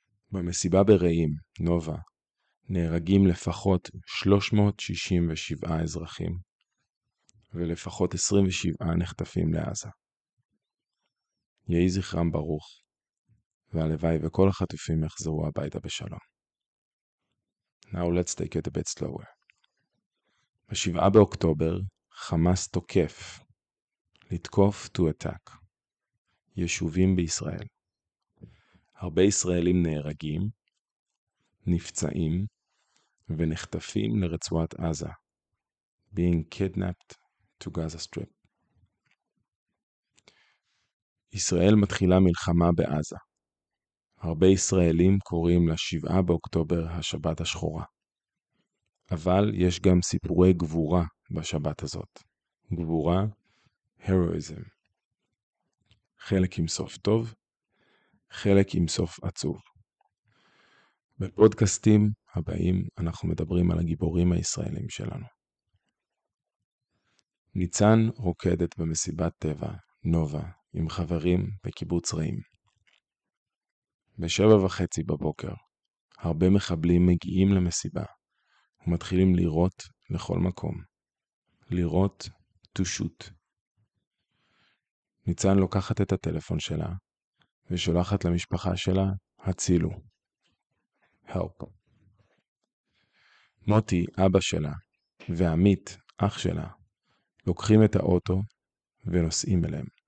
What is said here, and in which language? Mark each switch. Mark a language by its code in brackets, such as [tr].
[he] במסיבה ברעים, נובה, נהרגים לפחות 367 אזרחים, ולפחות 27 נחטפים לעזה. יהי זכרם ברוך. והלוואי וכל החטופים יחזרו הביתה בשלום. [en] Now let's take it a bit slower. [he] ב-7 באוקטובר, חמאס תוקף. [en] לתקוף, to attack. [he] יישובים בישראל. הרבה ישראלים נהרגים, נפצעים ונחטפים לרצועת עזה. [en] Being kidnapped to Gaza Strip. [he] ישראל מתחילה מלחמה בעזה. הרבה ישראלים קוראים לשבעה באוקטובר השבת השחורה. אבל יש גם סיפורי גבורה בשבת הזאת. גבורה, heroism. חלק עם סוף טוב, חלק עם סוף עצוב. בפודקאסטים הבאים אנחנו מדברים על הגיבורים הישראלים שלנו. ניצן רוקדת במסיבת טבע, נובה, עם חברים בקיבוץ רעים. ב7:30 בבוקר, הרבה מחבלים מגיעים למסיבה ומתחילים לירות לכל מקום. [en] לירות, to shoot. [he] ניצן לוקחת את הטלפון שלה ושולחת למשפחה שלה, הצילו. Help. מוטי, אבא שלה, ועמית, אח שלה, לוקחים את האוטו ונוסעים אליהם.